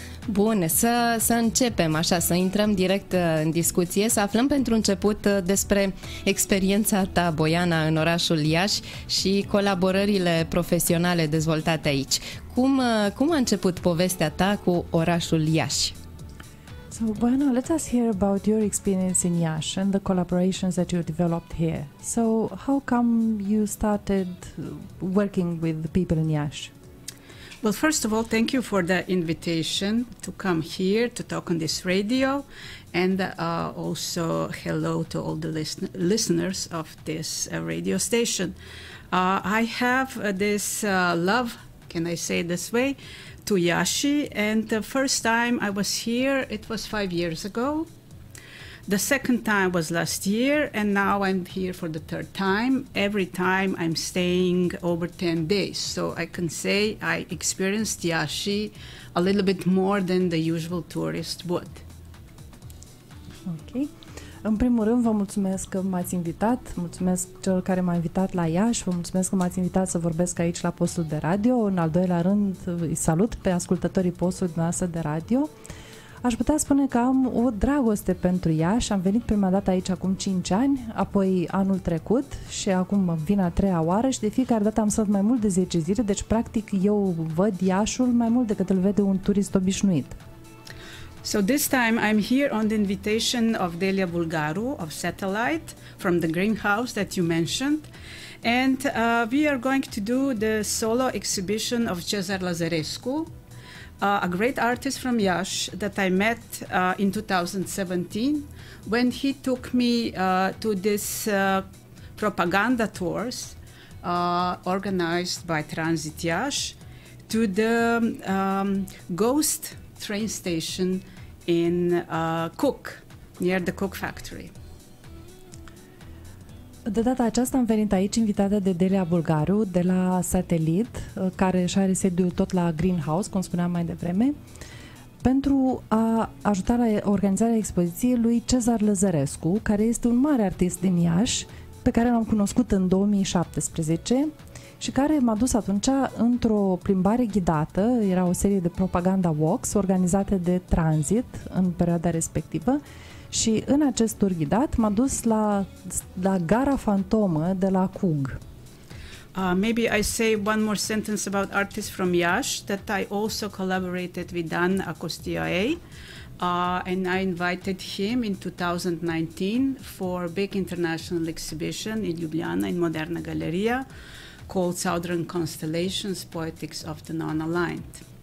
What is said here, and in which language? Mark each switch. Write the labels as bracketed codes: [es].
[ro] Bun, să începem așa, să intrăm direct în discuție, să aflăm pentru început despre experiența ta, Boiana, în orașul Iași și colaborările profesionale dezvoltate aici. Cum a început povestea ta cu orașul Iași? [en] So, Boiana, let us hear about your experience in Iași and the collaborations that you developed here. So, how come you started working with the people in Iași? Well, first of all, thank you for the invitation to come here to talk on this radio, and also hello to all the listeners of this radio station. I have this love, can I say this way, to Iași, and the first time I was here, it was 5 years ago. The second time was last year, and now I'm here for the third time. Every time I'm staying over 10 days. So I can say I experienced Iași a little bit more than the usual tourist would. Ok. [ro] În primul rând, vă mulțumesc că m-ați invitat. Mulțumesc celor care m-au invitat la Iași. Vă mulțumesc că m-ați invitat să vorbesc aici la postul de radio. În al doilea rând, îi salut pe ascultătorii postului dumneavoastră de radio. Aș putea spune că am o dragoste pentru Iași. Am venit prima dată aici acum 5 ani, apoi anul trecut și acum vin a treia oară și de fiecare dată am stat mai mult de 10 zile, deci practic eu văd Iașul mai mult decât îl vede un turist obișnuit. [en] So this time I'm here on the invitation of Delia Bulgaru of Satellite from the Greenhouse that you mentioned. And we are going to do the solo exhibition of Cezar Lăzărescu. A great artist from Iași that I met in 2017 when he took me to this propaganda tours organized by Transit Iași to the ghost train station in Cook, near the Cook factory. [ro] De data aceasta am venit aici invitată de Delia Bulgaru, de la Satellite, care își are sediul tot la Greenhouse, cum spuneam mai devreme, pentru a ajuta la organizarea expoziției lui Cezar Lăzărescu, care este un mare artist din Iași, pe care l-am cunoscut în 2017 și care m-a dus atunci într-o plimbare ghidată, era o serie de [en] propaganda walks [ro] organizate de Transit în perioada respectivă. Și în acest tur ghidat m-a dus la gara fantomă de la Cug. [en] Maybe I say one more sentence about artists from Iași that I also collaborated with Dan Acostiae, and I invited him in 2019 for a big international exhibition in Ljubljana in Moderna Galeria called Southern Constellations: Poetics of the Non-Aligned.